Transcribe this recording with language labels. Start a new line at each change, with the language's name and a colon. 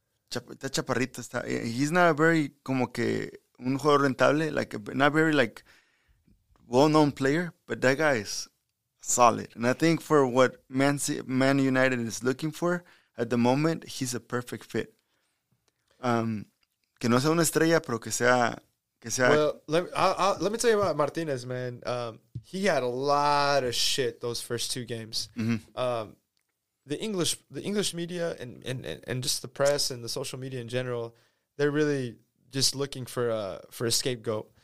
Spanish: That chaparrito está...
English: He's not a very,
Spanish: como que, un jugador rentable.
English: Like, not very, like, well-known player, but that guy is solid. And I think for what Man United is looking for at the moment, he's a perfect fit.
Spanish: Que no sea una estrella, pero que sea.
English: Well, let me tell you about Martinez, man. He had a lot of shit those first 2 games. The English media and just the press and the social media in general, they're really just looking for a scapegoat.